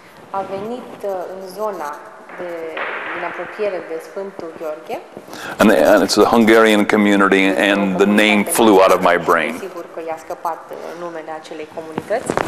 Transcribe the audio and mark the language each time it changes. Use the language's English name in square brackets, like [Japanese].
[Romanian] A venit în zona de în apropiere de Sfântul Gheorghe. [English] And it's a Hungarian community and the name flew out of my brain. [Romanian] Sigur că i-a scăpat numele acelei comunități.